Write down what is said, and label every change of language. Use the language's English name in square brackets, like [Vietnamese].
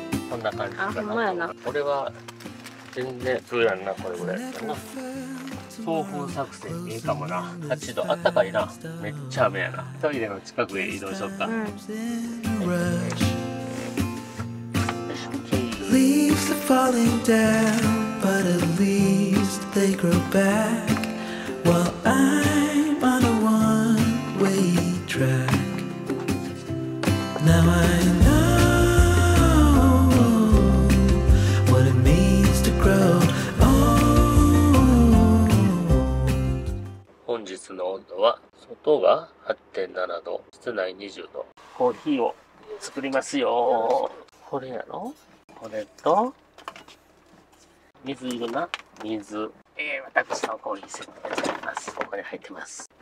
[Japanese] こんな感じかな。あ、ほんまやな。俺は全然そうやんな、これぐらいやったな。送風作戦いいかもな。8度、あったかいな。めっちゃ雨やな。トイレの近くへ移動しよっか。うん、 [English] Leaves are falling down, but at least they grow back. While I'm on a one-way track. Now I know what it means to grow old. [Japanese] 本日の温度は外が 8.7 度、室内20度。コーヒーを作りますよ。これやろ。これと水いるな。水、私のコーヒーセットになります。ここに入ってます。